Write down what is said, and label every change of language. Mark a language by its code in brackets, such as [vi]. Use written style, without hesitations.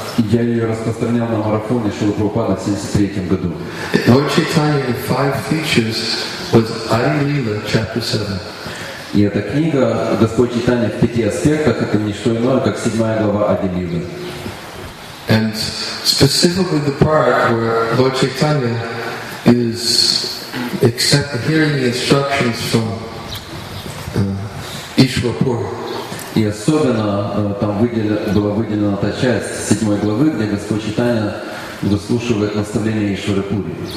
[ru] Я ее распространял на марафоне Шрила Прабхупада в 73-м году. [en] Lord Chaitanya in Five Features was Adilila, chapter 7. [ru] И эта книга «Господь Чайтанья в пяти аспектах» — это не что иное, как 7 глава Адилилы. [en] And specifically the part where Lord Chaitanya is hearing the instructions from Ishwarpura. [ru] И особенно там была выделена та часть 7 главы, где Господь Чайтанья выслушивает наставления Ишварапури.